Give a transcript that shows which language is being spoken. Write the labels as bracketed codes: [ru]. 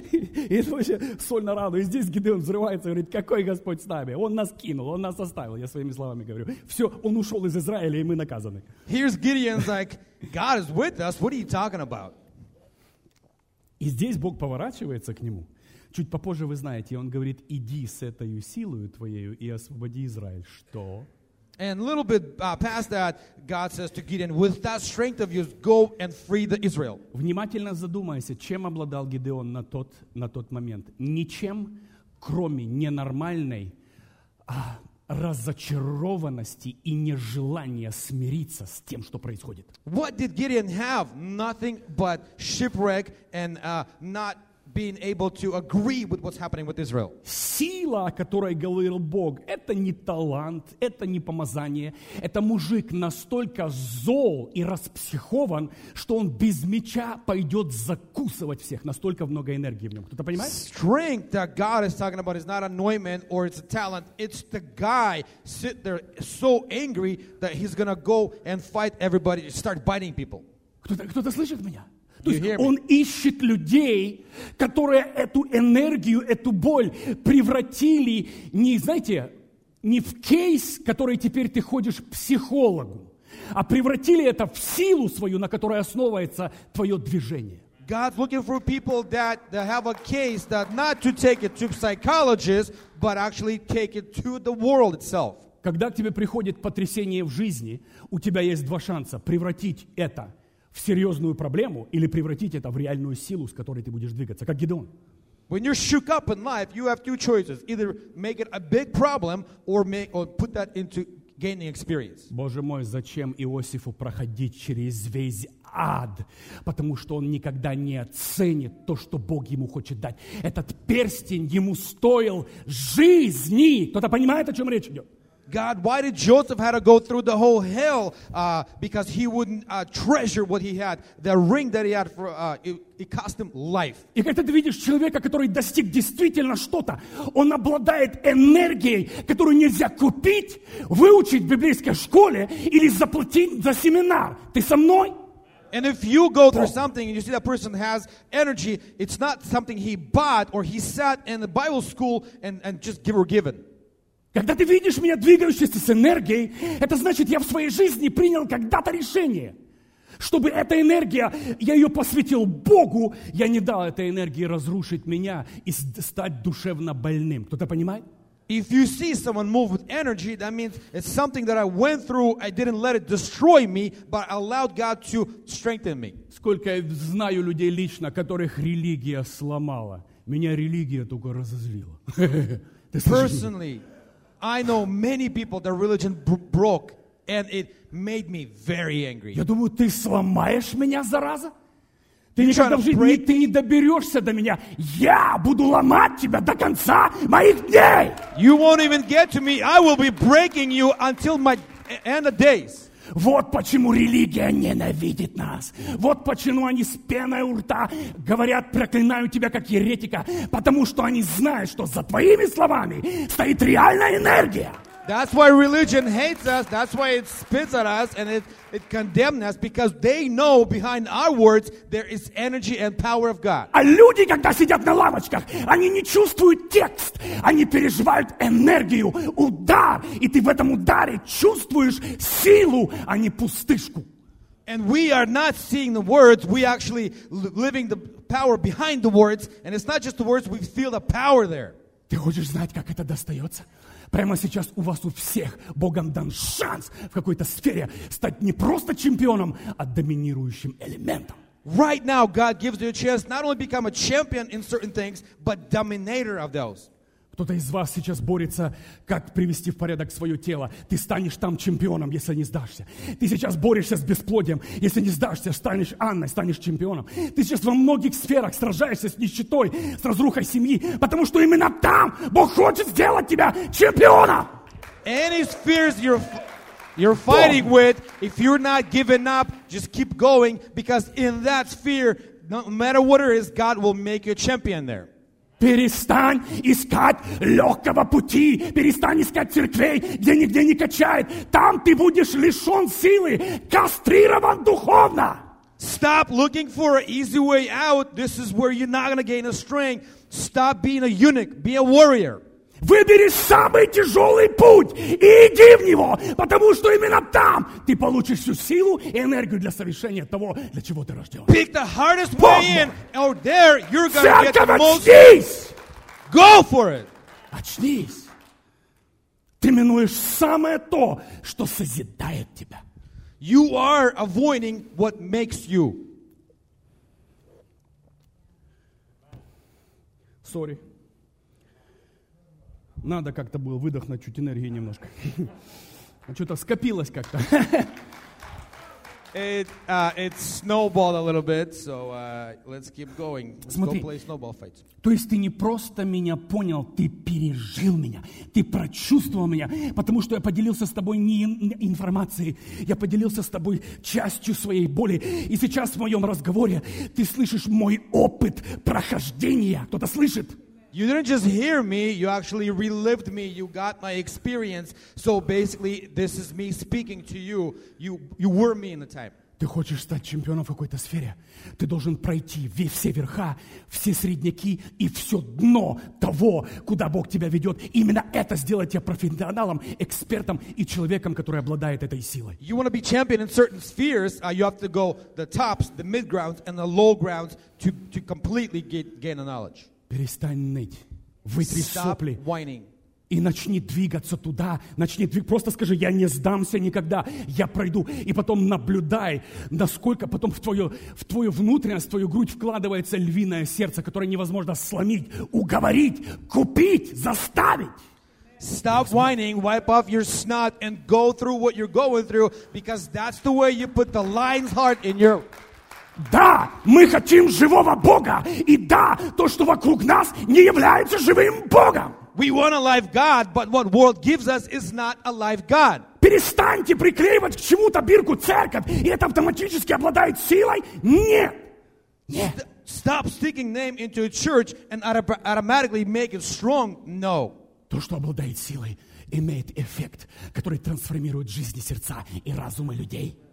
[ru] И это вообще соль на рану. И здесь Гидеон взрывается и говорит: «Какой Господь с нами? Он нас кинул, он нас оставил». Я своими словами говорю: «Все, он ушел из Израиля, и мы наказаны». [en] Here's Gideon's like, God is with us. What are you talking about? [ru] И здесь Бог поворачивается к нему. Чуть попозже вы знаете, он говорит: иди с этой силою твоею и освободи Израиль. Что? [en] And a little bit past that, God says to Gideon, with that strength of yours, go and free the Israel. [ru] Внимательно задумайся, чем обладал Гидеон на тот момент. Ничем, кроме ненормальной разочарованности и нежелания смириться с тем, что происходит. [en] What did Gideon have? Nothing but shipwreck and not being able to agree with what's happening with Israel. [ru] Сила, о которой говорил Бог, это не талант, это не помазание. Это мужик настолько зол и распсихован, что он без меча пойдет закусывать всех. Настолько много энергии в нем. Кто-то понимает? [en] Strength that God is talking about is not anointment or it's a talent. It's the guy sit there so angry that he's gonna go and fight everybody, start biting people. [ru] Кто-то слышит меня? То есть он ищет людей, которые эту энергию, эту боль превратили не, знаете, не в кейс, который теперь ты ходишь к психологу, а превратили это в силу свою, на которой основывается твое движение. [en] God's looking for people that have a case that not to take it to psychologists, but actually take it to the world itself. [ru] Когда к тебе приходит потрясение в жизни, у тебя есть два шанса превратить это в серьезную проблему или превратить это в реальную силу, с которой ты будешь двигаться, как Гидеон. [en] When you're shook up in life, you have two choices: either make it a big problem or put that into gaining experience. [ru] Боже мой, зачем Иосифу проходить через весь ад, потому что он никогда не оценит то, что Бог ему хочет дать. Этот перстень ему стоил жизни. Кто-то понимает, о чем речь идет? [en] God, why did Joseph have to go through the whole hell because he wouldn't treasure what he had, the ring that he had for it cost him life. [ru] И когда ты видишь человека, который достиг действительно что-то, он обладает энергией, которую нельзя купить, выучить в библейской школе или заплатить за семинар. Ты со мной? [en] And if you go through something and you see that person has energy, it's not something he bought or he sat in the Bible school and just give or given. [ru] Когда ты видишь меня двигающийся с энергией, это значит, я в своей жизни принял когда-то решение, чтобы эта энергия, я ее посвятил Богу, я не дал этой энергии разрушить меня и стать душевно больным. Кто-то понимает? [en] If you see someone move with energy, that means it's something that I went through, I didn't let it destroy me, but allowed God to strengthen me. [ru] Сколько я знаю людей лично, которых религия сломала. Меня религия только разозлила. [en] Personally, I know many people that religion broke, and it made me very angry. [ru] Я думаю, ты сломаешь меня, зараза? Ты никогда в жизни ты не доберешься до меня. Я буду ломать тебя до конца моих дней. [en] You won't even get to me. I will be breaking you until my end of days. [ru] Вот почему религия ненавидит нас. Вот почему они с пеной у рта говорят: проклинаю тебя как еретика. Потому что они знают, что за твоими словами стоит реальная энергия. [en] That's why religion hates us. That's why it spits at us and it condemns us, because they know behind our words there is energy and power of God. [ru] А люди, когда сидят на лавочках, они не чувствуют текст, они переживают энергию, удар, и ты в этом ударе чувствуешь силу, а не пустышку. [en] And we are not seeing the words, we actually living the power behind the words, and it's not just the words, we feel the power there. [ru] Ты хочешь знать, как это достается? Прямо сейчас у вас у всех Богом дан шанс в какой-то сфере стать не просто чемпионом, а доминирующим элементом. [en] Right now, God gives you a chance not only become a champion in certain things, but dominator of those. [ru] Кто-то из вас сейчас борется, как привести в порядок свое тело. Ты станешь там чемпионом, если не сдашься. Ты сейчас борешься с бесплодием. Если не сдашься, станешь Анной, станешь чемпионом. Ты сейчас во многих сферах сражаешься с нищетой, с разрухой семьи, потому что именно там Бог хочет сделать тебя чемпионом. [en] Any spheres you're fighting with, if you're not giving up, just keep going, because in that sphere, no matter what it is, God will make you a champion there. [ru] Перестань искать легкого пути, перестань искать церквей, где нигде не качает. Там ты будешь лишен силы, кастрирован духовно. [en] Stop looking for an easy way out. This is where you're not going to gain a strength. Stop being a eunuch, be a warrior. [ru] Выбери самый тяжелый путь и иди в него, потому что именно там ты получишь всю силу и энергию для совершения того, для чего ты рожден. [en] Pick the hardest way in, or there you're gonna get the most. [ru] Очнись! [en] Go for it! [ru] Очнись! Ты минуешь самое то, что созидает тебя. [en] You are avoiding what makes you. Sorry. [ru] Надо как-то было выдохнуть чуть энергии немножко. Что-то скопилось как-то. [en] It snowballed a little bit, so let's keep going. Let's [ru] Смотри, [en] go play snowball fights. [ru] То есть ты не просто меня понял, ты пережил меня, ты прочувствовал меня, потому что я поделился с тобой не информацией, я поделился с тобой частью своей боли, и сейчас в моем разговоре ты слышишь мой опыт прохождения. Кто-то слышит? [en] You didn't just hear me, you actually relived me, you got my experience. So basically, this is me speaking to you. You were me in the time. [ru] Ты хочешь стать чемпионом в какой-то сфере? Ты должен пройти все верха, все средняки и все дно того, куда Бог тебя ведет. Именно это сделает тебя профессионалом, экспертом и человеком, который обладает этой силой. [en] You want to be champion in certain spheres, you have to go the tops, the mid grounds and the low grounds to completely gain a knowledge. [ru] Перестань ныть, вытри сопли [en] whining. [ru] И начни двигаться туда, начни двигаться, просто скажи, я не сдамся никогда, я пройду, и потом наблюдай, насколько потом в твою внутренность, в твою грудь вкладывается львиное сердце, которое невозможно сломить, уговорить, купить, заставить. [en] Stop whining, wipe off your snot and go through what you're going through, because that's the way you put the lion's heart in your... [ru] Да, мы хотим живого Бога. И да, то, что вокруг нас, не является живым Богом. [en] We want a live God, but what world gives us is not a live God. [ru] Перестаньте приклеивать к чему-то бирку церковь, и это автоматически обладает силой. Нет. Нет. [en] Stop sticking name into a church and automatically make it strong. No. [ru] То, что обладает силой, имеет эффект, который трансформирует жизни, сердца и разумы людей.